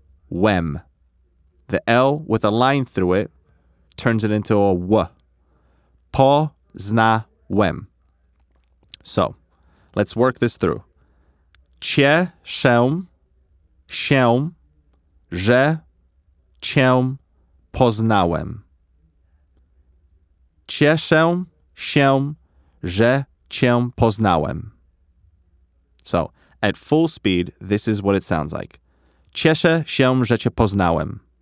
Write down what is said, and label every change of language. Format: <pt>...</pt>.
<pl>Poznałem.</pl> <en>The L with a line through it turns it into a W.</en> <pl>Poznałem.</pl> <en>So, let's work this through.</en> <pl>Cieszę się, że cię poznałem. Cieszę się, że cię poznałem.</pl> <en>So, at full speed, this is what it sounds like.</en> <pl>Cieszę się, że cię poznałem.</pl>